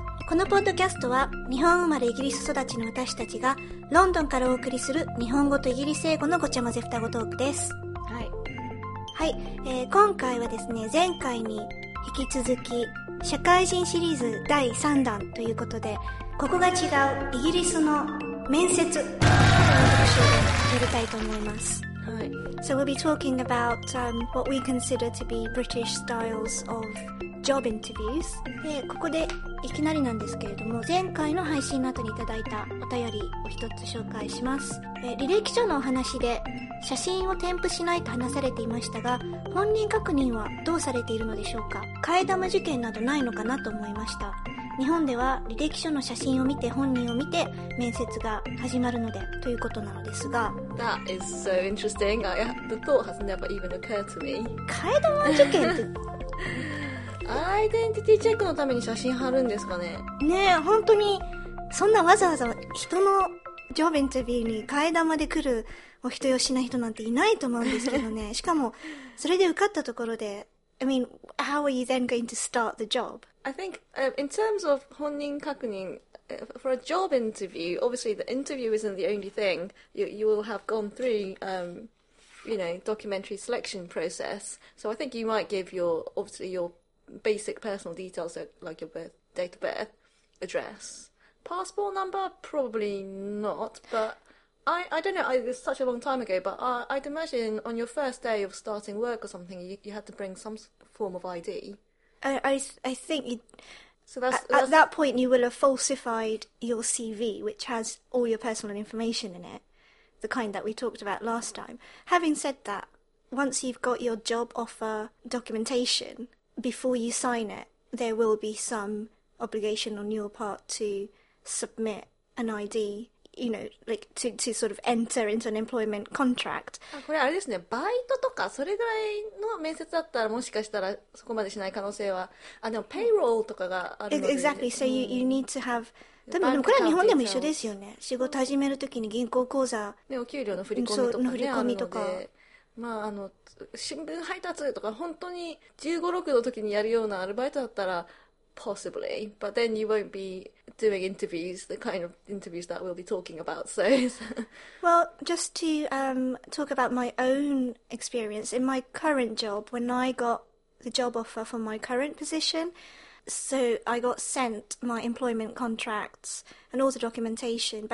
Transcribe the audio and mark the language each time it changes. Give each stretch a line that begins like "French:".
Japanese: このポッドキャストは日本生まれイギリス育ちの私たちがロンドンからお送りする日本語とイギリス英語のごちゃ混ぜ双子トークです。はい、はい、今回はですね、前回に引き続き社会人シリーズ第3弾ということで、ここが違うイギリスの面接をやりたいと思います。
English: So we'll be talking about what we consider to be British styles of job interviews.
Japanese: で、ここでいきなりなんですけれども、前回の配信の後にいただいたお便りを一つ紹介します。履歴書のお話で写真を添付しないと話されていましたが、本人確認はどうされているのでしょうか。替え玉受験などないのかなと思いました。日本では履歴書の写真を見て本人を見て面接が始まるのでということなのですが、
English: That is so interesting. The thought has never even occurred to me.
Japanese: 替え玉受験ってアイデンティティチェックのために写真貼るんですかね。ねえ、本当にそんなわざわざ人のジョブインタビューに替え玉で来るお人よしな人なんていないと思うんですけどね。しかもそれで受かったところで、
English: I mean, how are you then going to start the job? I think in terms of 本人確認, for a job interview, obviously the interview isn't the only thing. You will have gone through, documentary selection process. So I think you might give your basic personal details, like your birth, date of birth, address. Passport number? Probably not, but... I don't know, it was such a long time ago, but I'd imagine on your first day of starting work or something, you had to bring some form of ID. I think at that point you will have falsified your CV, which has all your personal information in it, the kind that we talked about last time. Having said that, once you've got your job offer documentation, before you sign it, there will be some obligation on your part to submit an ID. You know, like to sort of enter into an employment contract.
Japanese: これあれですね、バイトとかそれぐらいの面接だったらもしかしたらそこまでしない可能性は、あ、でもペイロールとかがあるので、
English: Exactly. So you need to have.
Japanese: でもこれは日本でも一緒ですよね。仕事始めるときに銀行口座、ね、お給料の振り込みとかね、振り込みとか。まあ、新聞配達とか本当に15、6の時にやるようなアルバイトだったら。
English: Possibly, but then you won't be doing interviews, the kind of interviews that we'll be talking about. So, well, just to talk about my own experience in my current job, when I got the job offer for my current position, so I got sent my employment contracts and all the documentation.